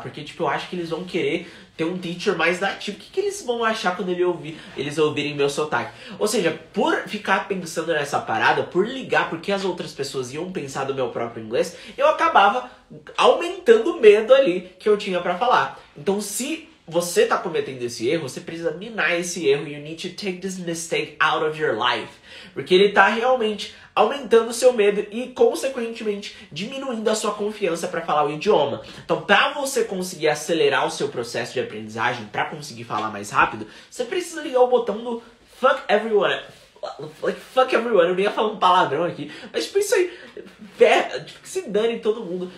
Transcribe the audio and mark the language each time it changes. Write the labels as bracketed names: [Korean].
[Portuguese] Porque, tipo, eu acho que eles vão querer ter um teacher mais nativo. O que eles vão achar quando eles ouvirem meu sotaque? Ou seja, por ficar pensando nessa parada, por ligar porque as outras pessoas iam pensar do meu próprio inglês, eu acabava aumentando o medo ali que eu tinha pra falar. Então, se você tá cometendo esse erro, você precisa minar esse erro. [English] You need to take this mistake out of your life. [Portuguese] Porque ele tá realmente aumentando o seu medo e, consequentemente, diminuindo a sua confiança para falar o idioma. Então, para você conseguir acelerar o seu processo de aprendizagem, para conseguir falar mais rápido, você precisa ligar o botão do [English] fuck everyone. Like, fuck everyone, [Portuguese] eu nem ia falar um palavrão aqui. Mas, tipo, isso aí, que se dane todo mundo.